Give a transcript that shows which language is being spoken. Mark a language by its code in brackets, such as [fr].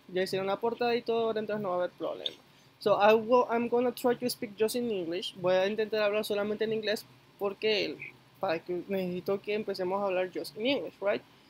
[es] Ya hicieron la portada y todo, entonces no va a haber problema. [en] So, I'm gonna try to speak just in English. [es] Voy a intentar hablar solamente en inglés porque para que necesito que empecemos a hablar [en] just in English, right?